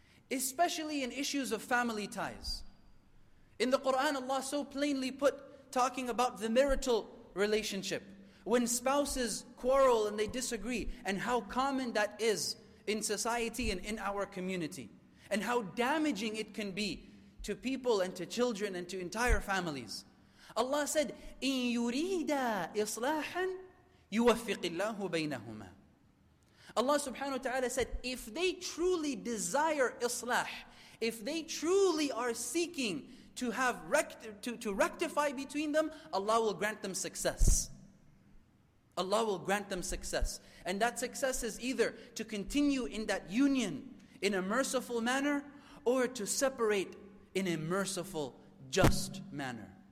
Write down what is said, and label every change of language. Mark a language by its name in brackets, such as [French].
[English] Especially in issues of family ties. In the Quran, Allah so plainly put, talking about the marital relationship, when spouses quarrel and they disagree, and how common that is in society and in our community, and how damaging it can be to people and to children and to entire families. [Arabic] Allah said, إِن يُرِيدَ إِصْلَاحًا يُوَفِّقِ اللَّهُ بَيْنَهُمَا. [English] Allah subhanahu wa ta'ala said, if they truly desire islah, if they truly are seeking to have rectify between them, Allah will grant them success. Allah will grant them success. And that success is either to continue in that union in a merciful manner, or to separate in a merciful, just manner.